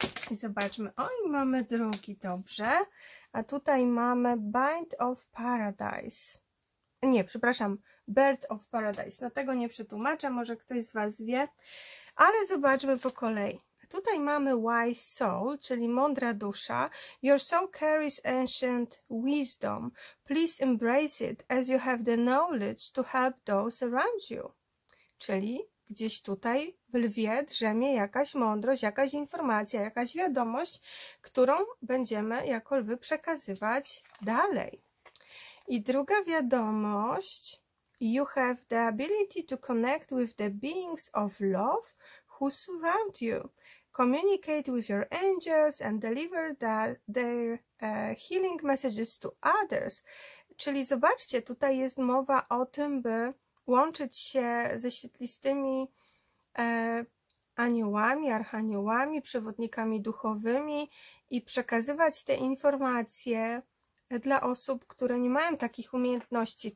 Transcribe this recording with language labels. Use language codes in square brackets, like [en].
[pl] I zobaczmy, oj, mamy drugi, dobrze. A tutaj mamy Bind of Paradise. Nie, przepraszam, Bird of Paradise. No tego nie przetłumaczę, może ktoś z was wie. Ale zobaczmy po kolei. Tutaj mamy Wise Soul, czyli mądra dusza. [en] Your soul carries ancient wisdom. Please embrace it as you have the knowledge to help those around you. [pl] Czyli gdzieś tutaj w lwie drzemie jakaś mądrość, jakaś informacja, jakaś wiadomość, którą będziemy jako lwy przekazywać dalej. I druga wiadomość. [en] You have the ability to connect with the beings of love who surround you. Communicate with your angels and deliver their healing messages to others. [pl] Czyli zobaczcie, tutaj jest mowa o tym, by łączyć się ze świetlistymi aniołami, archaniołami, przewodnikami duchowymi i przekazywać te informacje dla osób, które nie mają takich umiejętności.